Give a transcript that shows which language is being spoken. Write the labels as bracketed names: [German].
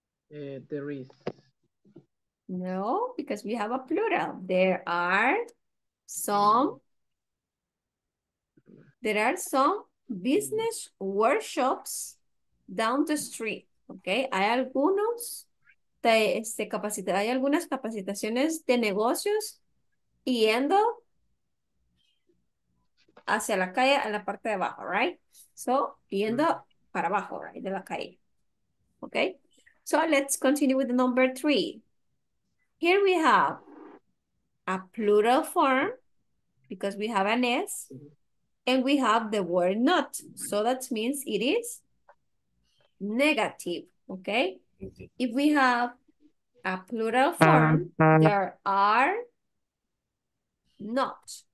[English] There is. No, because we have a plural. There are some. There are some business workshops down the street, okay? [Spanish] Hay algunos hay algunas capacitaciones de negocios yendo hacia la calle en la parte de abajo, right? So, yendo para abajo, right, de la calle. [English] Okay? So, let's continue with the number three. Here we have a plural form because we have an S and we have the word not. So, that means it is negative, okay? If we have a plural form, there are not.